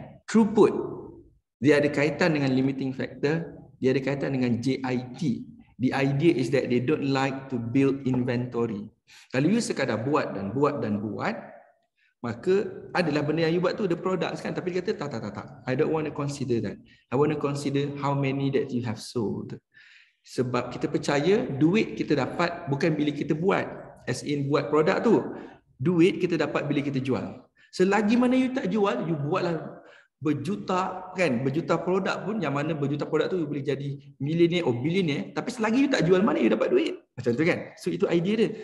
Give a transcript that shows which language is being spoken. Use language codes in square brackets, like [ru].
[ms] Throughput, dia ada kaitan dengan limiting factor, dia ada kaitan dengan JIT. [en] The idea is that they don't like to build inventory. [ms] Kalau you sekadar buat dan buat dan buat, maka adalah benda yang you buat tu the products kan. Tapi dia kata tak. [en] I don't want to consider that. I want to consider how many that you have sold. [ms] Sebab kita percaya duit kita dapat bukan bila kita buat. [en] As in [ms] buat produk tu. Duit kita dapat bila kita jual. Selagi mana you tak jual, you buatlah berjuta kan, berjuta produk pun, yang mana berjuta produk tu you boleh jadi millionaire or billionaire, tapi selagi you tak jual, mana you dapat duit? Macam tu kan. So itu idea dia.